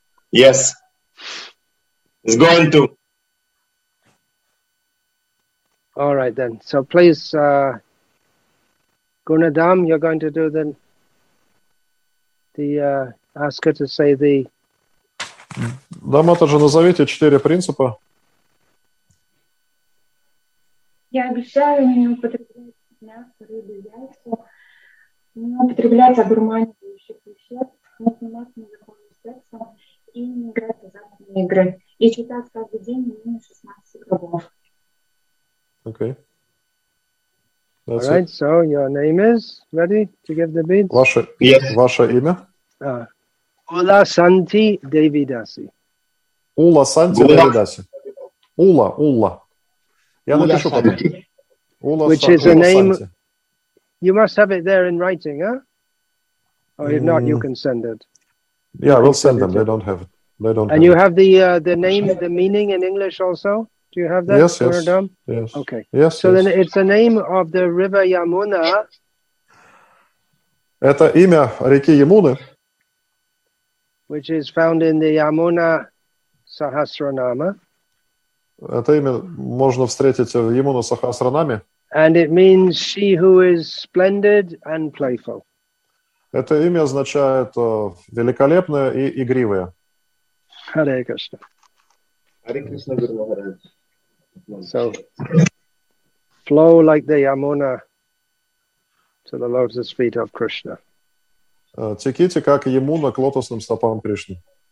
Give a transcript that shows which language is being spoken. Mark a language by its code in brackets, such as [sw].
[en] Yes. It's going to. All right, then. So please, Gunadam, you're going to do the ask her to say the... [ru] Да, Матаджа, назовите четыре принципа. Я обещаю не употреблять мясо, рыбу, яйцо, не употреблять одурманивающих веществ, не заниматься незаконным сексом и не играть в азартные игры. И читать каждый день минимум 16 кругов. Окей. [en] All right, so your name is ready to give the beads? [ru] Ваше, ваше имя? Ула Санти Девидаси. Ула Санти Девидаси. Ула, Ула. Я напишу потом. [en] Ула Санти. Which is a name... You must have it there in writing, huh? Or if not, you can send it. Yeah, we'll send them. They don't have it. They don't. And you have the name, the meaning in English also? Do you have that? Yes, yes. Yes. Okay. Yes, so then it's the name of the river Yamuna. [ru] Это имя реки Ямуны. [en] Which is found in the Yamuna Sahasranama. [ru] Это имя можно встретить в Ямуна Сахасранаме. [en] And it means she who is splendid and playful. [ru] Это имя означает великолепная и игривая. [en] Hare Krishna. Hare Krishna, Guru Maharaj. So, flow like the Yamuna to the lotus feet of Krishna. [ru] Теките, как Ямуна, к лотосным стопам Кришны.